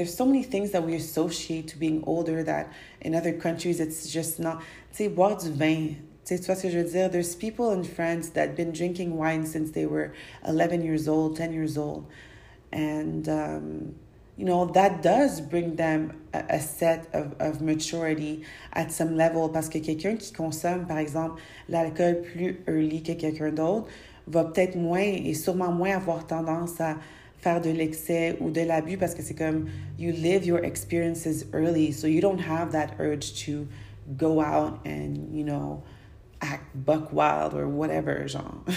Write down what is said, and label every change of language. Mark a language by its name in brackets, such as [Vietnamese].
[English] There's so many things that we associate to being older that in other countries, it's just not... [French] Tu sais, boire du vin, tu vois ce que je veux dire? [English] There's people in France that been drinking wine since they were 11 years old, 10 years old. And, you know, that does bring them a set of maturity at some level. [French] Parce que quelqu'un qui consomme, par exemple, l'alcool plus early que quelqu'un d'autre va peut-être moins et sûrement moins avoir tendance à faire de l'excès ou de l'abus parce que c'est comme [English] you live your experiences early, so you don't have that urge to go out and, you know, act buck wild or whatever, [French] genre.